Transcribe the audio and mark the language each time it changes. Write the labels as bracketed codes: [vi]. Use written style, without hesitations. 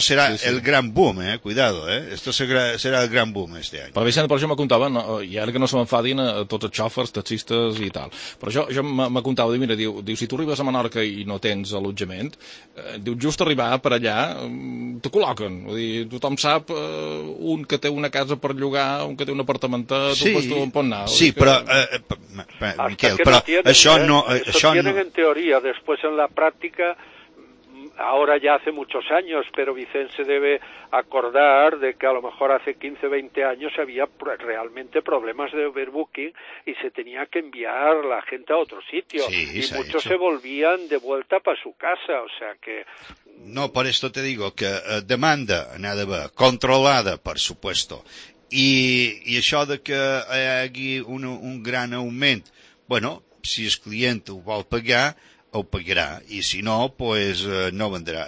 [es] será, sí, sí, el gran boom, cuidado, Esto será el gran boom este any. [ca] Però, Vicent, per això m'acontava, i ara que no se m'enfadin tots els xòfers, taxistes i tal, però jo m'acontava, mira, diu, si tu arribes a Menorca i no tens allotjament, diu, just arribar per allà, te col·loquen, vull dir, tothom sap un que té una casa per llogar, un que té un apartamentet, sí, un pastor, on pot anar. Sí, però, Miquel, però [es] no tienen, [ca] això no... [es] Això tienen no... en teoria, después en la práctica, ahora ya hace muchos años, pero Vicent se debe acordar de que a lo mejor hace 15, 20 años había realmente problemas de overbooking y se tenía que enviar la gente a otro sitio. Sí, y muchos se volvían de vuelta para su casa, o sea que... No, por esto te digo que demanda, nada más, controlada, por supuesto. [ca] I això de que hi hagi un gran augment, bueno, si el client ho vol pagar, ho pagarà, i si no, pues, no vendrà.